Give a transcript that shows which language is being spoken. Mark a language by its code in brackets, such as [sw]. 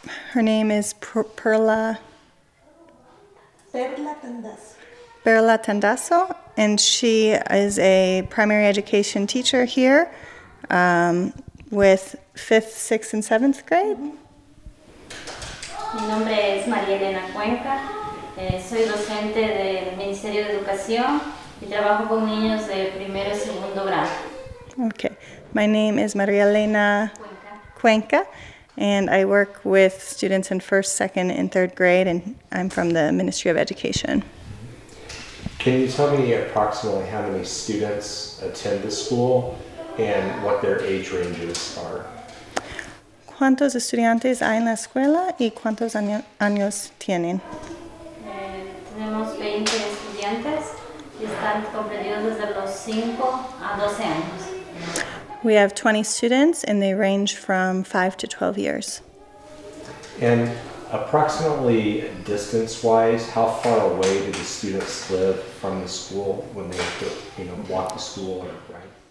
[en] Her name is Perla. Perla Tandazo. Perla Tandazo, and she is a primary education teacher here with 5th, 6th, and 7th grade. [es] Mi nombre es María Elena Cuenca. Soy docente del Ministerio de Educación y trabajo con niños de primero y segundo grado. [en] Okay. My name is María Elena Cuenca. And I work with students in 1st, 2nd, and 3rd grade, and I'm from the Ministry of Education. Can you tell me approximately how many students attend the school and what their age ranges are? [es] ¿Cuántos estudiantes hay en la escuela y cuántos años tienen? Tenemos 20 estudiantes y están comprendidos desde los 5 a 12 años. [en] We have 20 students and they range from 5 to 12 years. And Approximately distance-wise, how far away do the students live from the school when they, you know, walk to school or write?